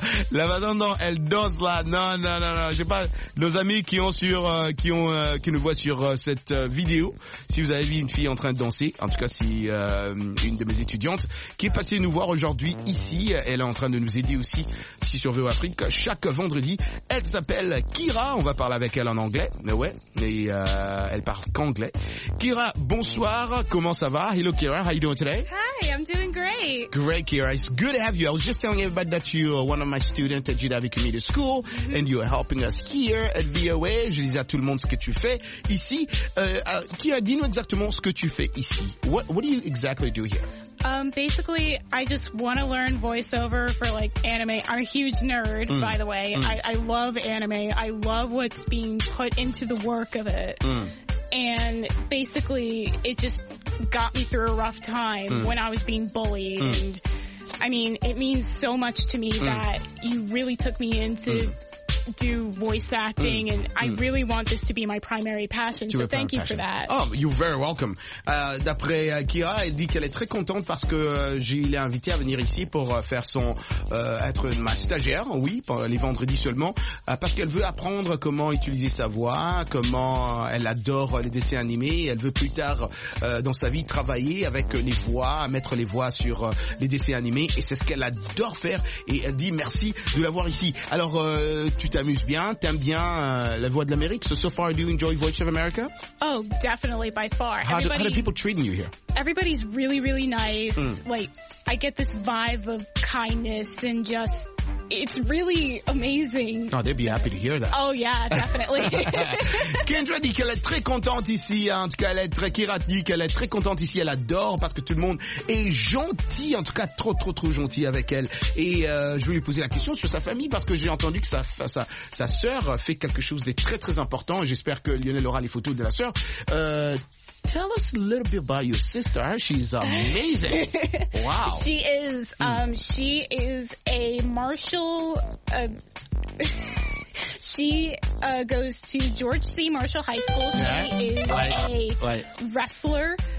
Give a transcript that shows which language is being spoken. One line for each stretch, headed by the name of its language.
French: la façon dont elle danse là, non, je sais pas, nos amis qui ont sur qui nous voit sur cette vidéo, si vous avez vu une fille en train de danser, en tout cas c'est une de mes étudiantes qui est passée nous voir aujourd'hui ici. Elle est en train de nous aider aussi ici sur VO Afrique chaque vendredi. Elle s'appelle Kira, on va parler avec elle en anglais, mais ouais, et elle parle qu'anglais.
English: Kira, bonsoir, comment ça va? Hello Kira, how you doing today? Hi, I'm doing great. Great Kira, it's good to have you. I was just telling everybody that you're one of my students at GW Community School, mm-hmm. and you're helping us here at VOA.
French: Je disais à tout le monde ce que tu fais ici. Kira, dis-nous exactement ce que tu fais ici.
English: What do you exactly do here? Basically, I just want to learn voiceover for like anime. I'm a huge nerd, by the way. I love anime. I love what's being put into the work of it. And basically, it just got me through a rough time when I was being bullied. And I mean, it means so much to me that you really took me into do voice acting, and I really want this to be my primary passion, so thank you for that. Oh, you're very welcome.
French: D'après Kira, elle dit qu'elle est très contente parce que je l'ai invitée à venir ici pour faire son être ma stagiaire, oui, pour les vendredis seulement, parce qu'elle veut apprendre comment utiliser sa voix, comment elle adore les dessins animés, elle veut plus tard dans sa vie travailler avec les voix, mettre les voix sur les dessins animés, et c'est ce qu'elle adore faire, et elle dit merci de l'avoir ici. Alors, tu t'amuses bien, t'aimes bien la voix de l'Amérique.
English: So far, do you enjoy Voice of America? Oh, definitely, by far. How do people treating you here? Everybody's really, really nice. Like, I get this vibe of kindness and just, it's really amazing. Oh, they'd be happy to hear that. Oh, yeah, definitely.
French: Kendra dit qu'elle est très contente ici. En tout cas, elle est très, Kira dit qu'elle est très contente ici. Elle adore parce que tout le monde est gentil, en tout cas, trop gentil avec elle. Et je voulais lui poser la question sur sa famille parce que j'ai entendu que sa sœur fait quelque chose de très, très important. J'espère que Lionel aura les photos de la sœur.
English: Tell us a little bit about your sister. She's amazing. Wow. She is. She is a martial. She goes to George C. Marshall High School. She is a wrestler.